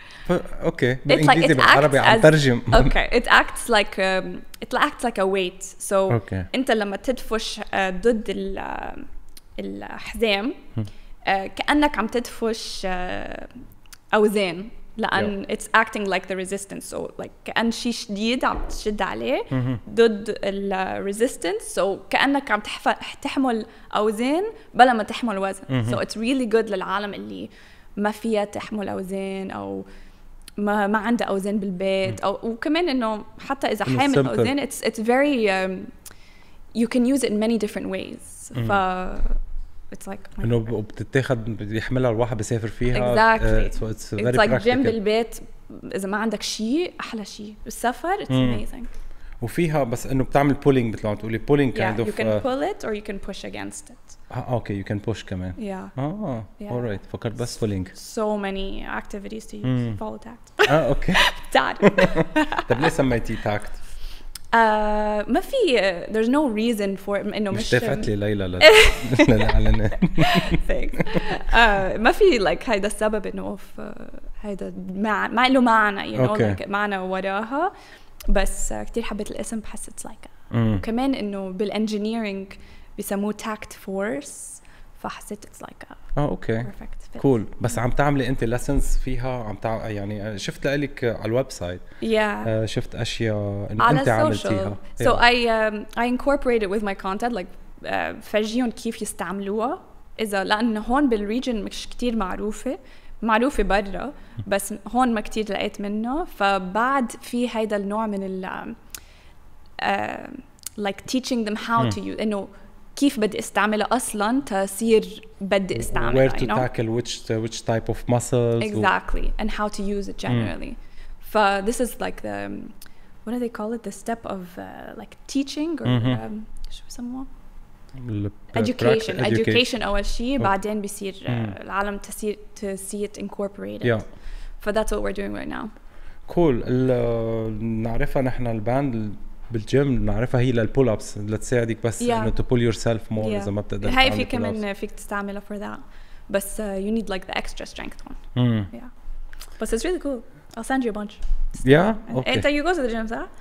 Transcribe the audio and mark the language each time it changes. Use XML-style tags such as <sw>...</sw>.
<ar>اوكي بالانجليزي بالعربي عم ترجم</ar> <en>Okay it acts like it acts like a weight so okay.</en> <ar>انت لما تدفش ضد ال الحزام كأنك عم تدفش أوزان لأن yeah.</ar> <en>it's acting like the resistance so like</en> <ar>كأن شيء شديد عم تشد عليه ضد</ar> <en>ال resistance so</en> <ar>كأنك عم تحمل أوزان بلا ما تحمل وزن</ar> <en>so it's really good</en> <ar>للعالم اللي ما فيها تحمل أوزان أو ما عنده أوزان بالبيت</ar> <en>أو وكمان إنه حتى إذا حامل أوزان it's very you can use it in many different ways ف it's like</en> <ar>انه بتتاخد بيحملها الواحد بيسافر فيها</ar> <en>exactly. It's very like practical.</en> <ar>جيم بالبيت اذا ما عندك شيء احلى شيء السفر</ar> <en>it's amazing</en> <ar>وفيها بس انه بتعمل pulling مثل ما تقولي pulling yeah,</ar> <en>kind you of you can pull it or you can push against it okay you can push كمان yeah yeah all right</en> <ar>فكرت بس</ar> <en>pulling so many activities to use follow tact okay</en> <ar>تعرف طب ليه سميتي tact</ar> <en>ما في there's no reason for</en> <ar>إنه مش اشتفت لي ليلى لا لا لا ما في like هيدا السبب إنه of هيدا ما له معنى you know</ar> <en>okay.</en> <ar>like معنى وراها بس كتير حبيت الاسم بحس</ar> <en>it's like</en> <ar>كمان إنه بالengineering بيسموه tact force فحسيت it's like okay cool بس عم تعملي أنت lessons فيها عم تع يعني شفت لقلك على الويب سايت yeah شفت أشياء أنت عملتيها</ar> <en>so yeah. I incorporated with my content</en> <ar>like فجيهم كيف يستعملوها إذا لأن هون بالريجن مش كتير معروفة برا بس هون ما كتير لقيت منه فبعد في هيدا النوع من ال like</ar> <en>teaching them how to use</en> <ar>إنه كيف بدي استعملها أصلاً تصير بدي استعملها</ar> <en>where to tackle which type of muscles exactly and how to use it generally ف this is like the what do they call it the step of like teaching or شو بسموها education</en> <ar>أول شيء بعدين بيصير العالم تصير</ar> <en>to see it incorporated ف that's what we're doing right now</en> <ar>cool نعرفها نحن الباند بالجيم نعرفها هي للبول أبس لتساعدك بس yeah.</ar> <en>إنه to pull yourself more yeah. إذا ما بتقدر</en> <ar>هاي في كمان فيك تستعملها</ar> <en>for that بس you need like the extra strength one mm. yeah بس it's really cool. I'll send you a bunch. Yeah. Okay. انت you go to the gym, صح؟</en>